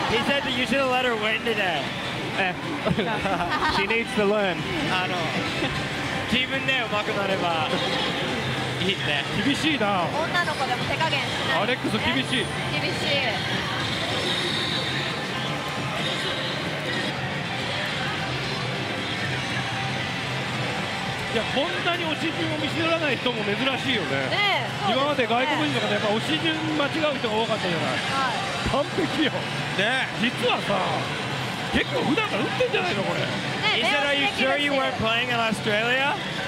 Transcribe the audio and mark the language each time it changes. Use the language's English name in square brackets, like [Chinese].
[English] He said that you should have let her win today. She needs to learn. [Japanese] あの、自分で上手くなればいいね。厳しいな。女の子でも手加減しない。アレックス厳しい。厳しい。いや、こんなに押し順を見せらない人も珍しいよ ね、ね、ね、今まで外国人の方やっぱ押し順間違う人が多かったじゃない、はい、完璧よ、ね、実はさ結構普段から打ってんじゃないのこれ、 [English] ね、He said, are you sure you weren't playing in Australia?